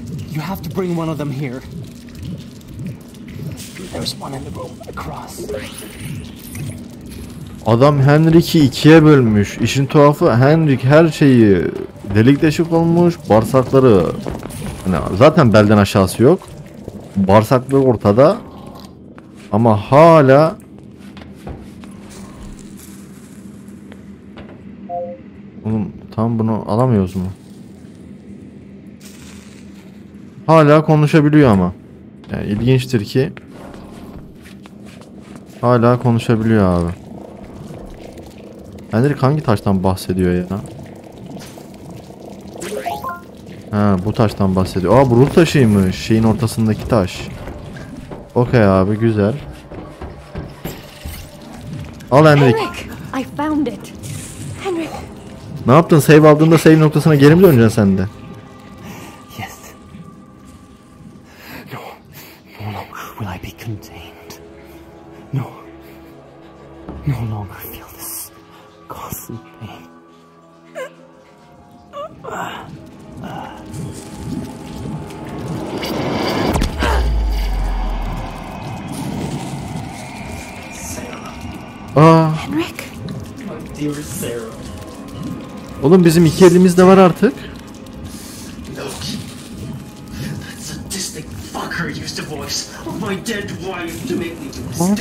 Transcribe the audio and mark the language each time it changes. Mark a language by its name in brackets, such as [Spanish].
[English] You have to bring one of them here. There's one in the room across. [Turkish] Adam Henrik'i ikiye bölmüş. İşin tuhafı Henrik her şeyi delik deşik olmuş. Bağırsakları hani zaten belden aşağısı yok. Bağırsakları ortada. Ama hala oğlum tam bunu alamıyoruz mu? Hala konuşabiliyor ama. Yani ilginçtir ki hala konuşabiliyor abi. Henrik hangi taştan bahsediyor ya? Ha, bu taştan bahsediyor. Aa, bu ruh taşıymış. Şeyin ortasındaki taş. Okey abi, güzel. Al Henrik. [English] I found it. Henrik. [Turkish] Ne yaptın? Save aldığında save noktasına geri mi döneceksin sen de? [English] Yes. No. No longer will I be contained. No. No longer feel this constant pain. Henrik. [Turkish] Oğlum bizim iki elimiz de var artık. Loki. [English] That sadistic fucker used the voice of my dead wife to make me do this.